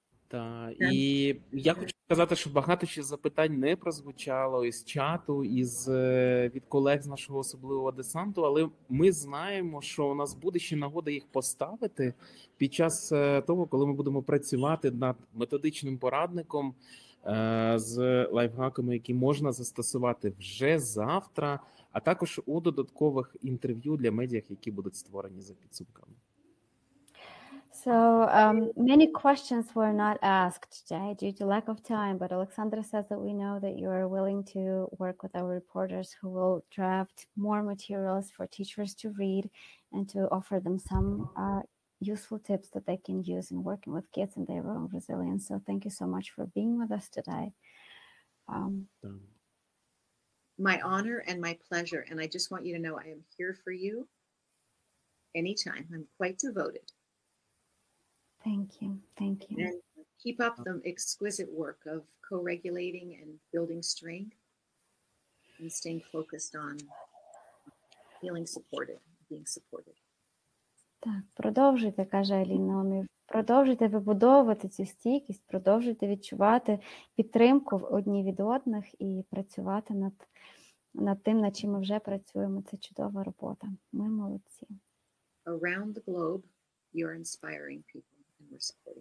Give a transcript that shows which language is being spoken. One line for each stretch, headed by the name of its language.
Ukrainian: Та і я хочу сказати, що багато ще запитань не прозвучало із чату, із від колег з нашого особливого десанту, але ми знаємо, що у нас буде ще нагода їх поставити під час того, коли ми будемо працювати над методичним порадником з лайфхаками, які можна застосувати вже завтра, а також у додаткових інтерв'ю для медіа, які будуть створені за підсумками.
English: So many questions were not asked today due to lack of time, but Alexandra says that we know that you are willing to work with our reporters who will draft more materials for teachers to read and to offer them some useful tips that they can use in working with kids and their own resilience. So thank you so much for being with us today. My honor and my pleasure. And I just want you to know I am here for you anytime. I'm quite devoted. Thank you. And keep up the exquisite work of co-regulating and building strength and staying focused on feeling supported, being supported.
Ukrainian: Так, продовжуйте, каже Аліна Омів. Продовжуйте вибудовувати цю стійкість, продовжуйте відчувати підтримку одні від одних і працювати над тим, над чим ми вже працюємо. Це чудова робота. Ми молодці.
English: Around the globe, you're inspiring people.